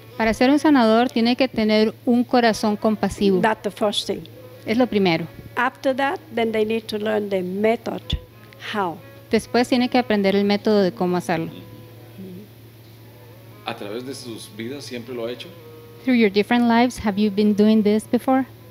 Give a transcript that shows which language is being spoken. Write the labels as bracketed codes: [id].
[es] Para ser un sanador tiene que tener un corazón compasivo. [en] That's the first thing. [es] Es lo primero. [en] After that, then they need to learn the method how. [es] Después tiene que aprender el método de cómo hacerlo. A través de sus vidas siempre lo ha hecho. [en] Through your different lives, have you been doing this before?